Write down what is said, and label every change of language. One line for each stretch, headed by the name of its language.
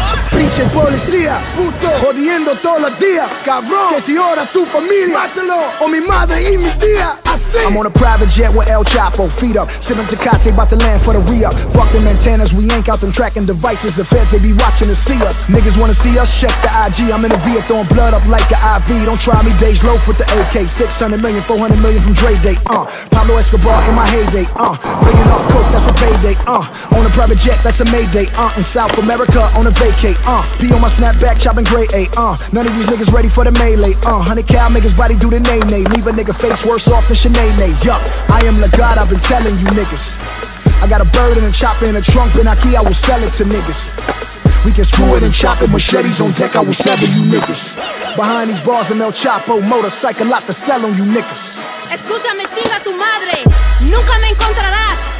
Spanish: Pinche policía, puto, jodiendo todos los días, cabrón. Que si ahora tu familia, mátalo, o mi madre y mi tía.
English: I'm on a private jet with El Chapo, feet up. Sipping Tecate, about to land for the re-up. Fuck them antennas, we yank out them tracking devices. The feds, they be watching to see us. Niggas wanna see us? Check the IG. I'm in a V, throwing blood up like an IV. Don't try me, Dej Loaf with the AK. 600 million, 400 million from Dre Day, Pablo Escobar in my heyday, Bringing off coke, that's a payday, On a private jet, that's a mayday, In South America, on a vacay, Be on my snapback, chopping gray A, None of these niggas ready for the melee, 100 cal, make his body do the nay-nay. Leave a nigga face worse off than Chanel. Yup, I am the God, I've been telling you niggas. I got a bird and a chopper in a trunk, and I key, I will sell it to niggas. We can screw it and chop it, machetes on deck, I will sever you niggas. Behind these bars, I'm El Chapo, motorcycle lot to sell on you niggas.
Spanish: Escúchame, chinga tu madre, nunca me encontrarás.